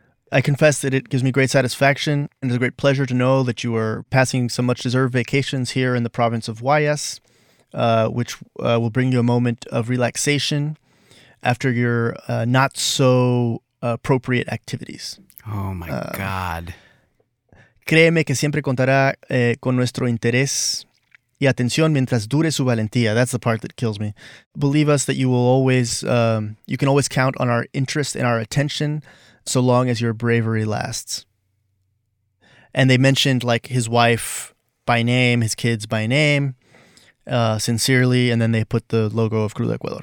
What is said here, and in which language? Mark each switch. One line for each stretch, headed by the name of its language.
English: "I confess that it gives me great satisfaction and is a great pleasure to know that you are passing some much-deserved vacations here in the province of Guayas, which will bring you a moment of relaxation after your not-so-appropriate activities." Oh, my God.
Spanish: "Créeme que siempre contará con nuestro interés y atención mientras dure su valentía."
English: That's the part that kills me. "Believe us that you will always, you can always count on our interest and our attention so long as your bravery lasts." And they mentioned like his wife by name, his kids by name, sincerely, and then they put the logo of Cruz de Ecuador.